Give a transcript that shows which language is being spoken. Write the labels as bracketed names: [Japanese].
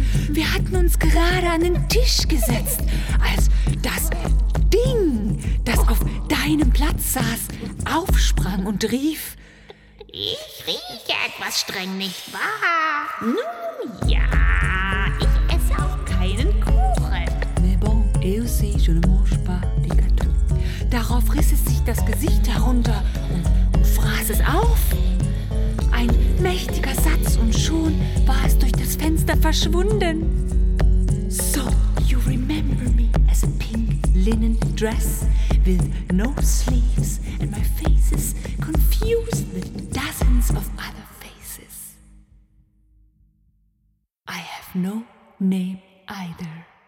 [German] Wir hatten uns gerade an den Tisch gesetzt, als das Ding, das auf deinem Platz saß, aufsprang und rief: Ich rieche etwas streng, nicht wahr? Nun ja, ich esse auch keinen Kuchen. [French] Mais bon, et aussi, je ne mange pas des gâteaux. [German] Darauf riss es sich das Gesicht herunter und fraß es auf. Ein mächtiger Satz und schon war es durch das Fenster verschwunden. [English] So, you remember me as a pink lady. linen dress with no sleeves, and my face is confused with dozens of other faces. I have no name either.